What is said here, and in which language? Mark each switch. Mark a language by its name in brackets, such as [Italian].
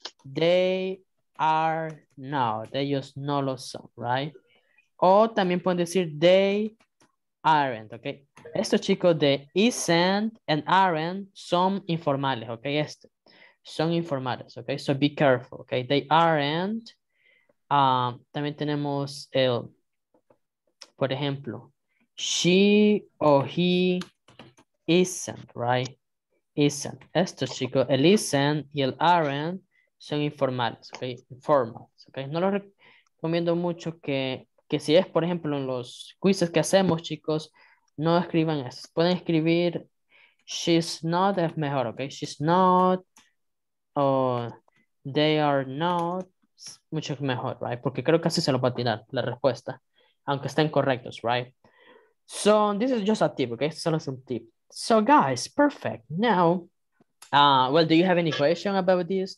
[English] They are not. [Spanish] Ellos no lo son, [English] right? [Spanish] O también pueden decir [English] they aren't, [Spanish] okay? Estos chicos de isn't and aren't son informales, okay? Este. Son informales, okay? [English] So be careful, [Spanish] okay? [English] They aren't. [Spanish] También tenemos el, por ejemplo, [English] she or he isn't, [Spanish] right? Isn't. Estos chicos, el isn't y el aren't son informales, okay? Informals, okay? No los recomiendo mucho que si es, por ejemplo, en los quizzes que hacemos, chicos, no escriban eso. Pueden escribir, [English] she's not, [Spanish] es mejor, okay? [English] She's not, [Spanish] o [English] they are not, [Spanish] mucho mejor, right? Porque creo que así se lo va a tirar la respuesta, aunque estén correctos, right? [English] So, this is just a tip, okay? [Spanish] Solo es un tip. [English] So, guys, perfect. Now, well, do you have any question about this?